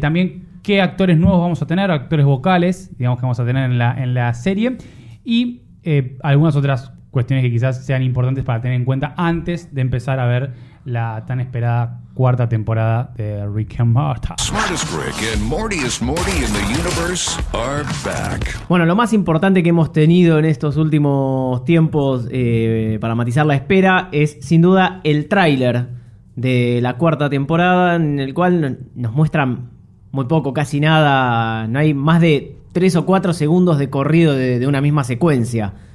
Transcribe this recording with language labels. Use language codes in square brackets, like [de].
[es] También qué actores nuevos vamos a tener, actores vocales, digamos, que vamos a tener en la serie. Y algunas otras cuestiones que quizás sean importantes para tener en cuenta antes de empezar a ver la tan esperada cuarta temporada de Rick and Morty. [en] Smartest Rick and Mortiest Morty in the universe are back. [es] Bueno, lo más importante que hemos tenido en estos últimos tiempos para matizar la espera es sin duda el tráiler de la cuarta temporada, en el cual nos muestran muy poco, casi nada. No hay más de 3 o 4 segundos de corrido de una misma secuencia.